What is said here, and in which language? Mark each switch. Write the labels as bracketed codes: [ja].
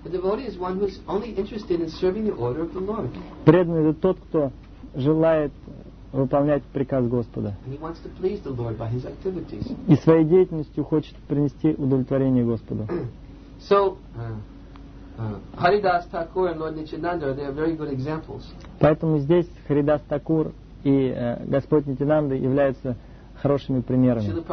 [en] A devotee is one who is only interested in serving the order of the Lord. [ru] Преданный — это тот, кто желает выполнять приказ Господа. [en] And he wants to please the Lord by his activities. [ru] И своей деятельностью хочет принести удовлетворение Господу. [en] So, Haridas Thakur and Lord Nityananda, they are very good examples. [ru] Поэтому здесь Харидас Такур и Господь Нитинанда являются хорошими примерами.